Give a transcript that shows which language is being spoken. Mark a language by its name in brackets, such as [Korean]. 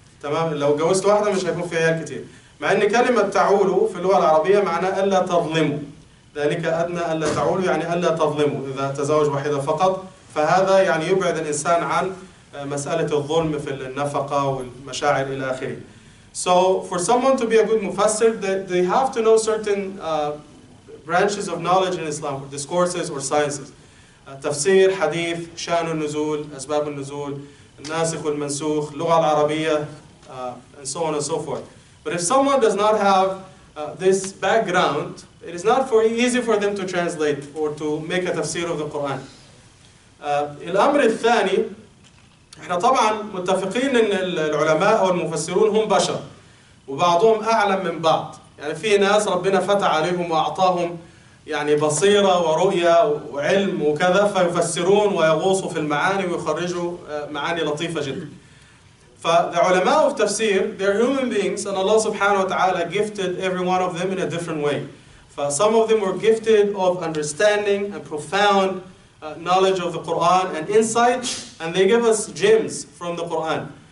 [Arabic] تمام, لو جوزت واحدة مش هيكون في عيال كتير, مع أن كلمة تعولوا في اللغة العربية معناها ألا تظلموا, ذلك أدنى ألا تعولوا يعني ألا تظلموا إذا تزوج واحدة فقط, فهذا يعني يبعد الإنسان عن مسألة الظلم في النفقة والمشاعر إلى آخره. [English] So for someone to be a good mufassir, they have to know certain branches of knowledge in Islam, or discourses or sciences. Tafsir, hadith, shan al-nuzul, asbab al-nuzul, nasikh al-mansukh, lugha al-arabiyya, and so on and so forth. But if someone does not have this background, it is not easy for them to translate or to make a tafsir of the Quran. [Arabic] Al-amr al-thani, احنا طبعا متفقين ان العلماء والمفسرون هم بشر وبعضهم اعلم من بعض, يعني في ناس ربنا فتح عليهم واعطاهم يعني بصيره ورؤيه وعلم وكذا فيفسرون ويغوصوا في المعاني ويخرجوا معاني لطيفه جدا. فالعلماء في تفسير, [English] they're human beings and Allah سبحانه وتعالى gifted every one of them in a different way. Some of them were gifted of understanding and profound knowledge of the Quran and insight, and they give us gems from the Quran.